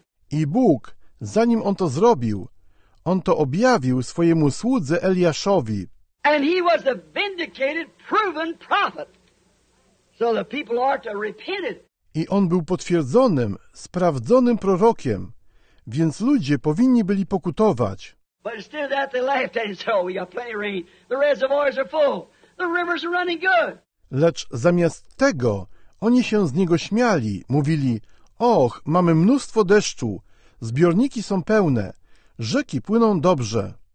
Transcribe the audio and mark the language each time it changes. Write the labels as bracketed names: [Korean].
[Polish] I Bóg, zanim on to zrobił, on to objawił swojemu słudze Eliaszowi. [English] And he was a vindicated, proven prophet. So the people are to repent it. [Polish] I on był potwierdzonym, sprawdzonym prorokiem, więc ludzie powinni byli pokutować. [English] But instead of that, they laughed at him. So we got plenty of rain. The reservoirs are full. The rivers are running good. [Polish] Lecz zamiast tego, oni się z niego śmiali, mówili, och, mamy mnóstwo deszczu, zbiorniki są pełne, rzeki płyną dobrze.